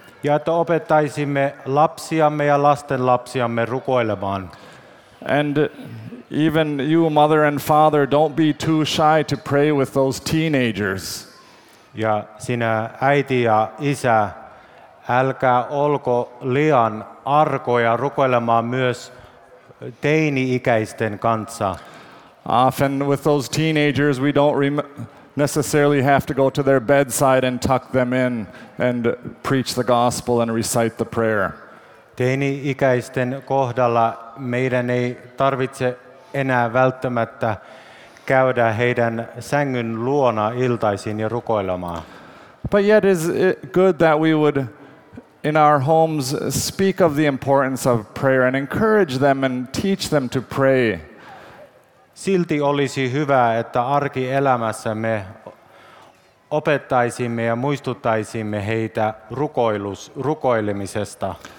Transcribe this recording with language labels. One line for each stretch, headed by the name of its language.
Finnish: Ja että opettaisimme lapsiamme ja lastenlapsiamme rukoilemaan.
English: And even you, mother and father, don't be too shy to pray with those teenagers.
Finnish: Ja sinä äiti ja isä, älkää olko liian arkoja rukoilemaan myös teini-ikäisten kanssa.
English: Often with those teenagers we don't necessarily have to go to their bedside and tuck them in and preach the gospel and recite the prayer.
Finnish: Teini-ikäisten kohdalla meidän ei tarvitse enää välttämättä käydä heidän sängyn luona iltaisin ja rukoilemaan.
English: But yet is it good that we would in our homes speak of the importance of prayer and encourage them and teach them to pray.
Finnish: Silti olisi hyvä, että arkielämässä me opettaisimme ja muistuttaisimme heitä rukoilemisesta.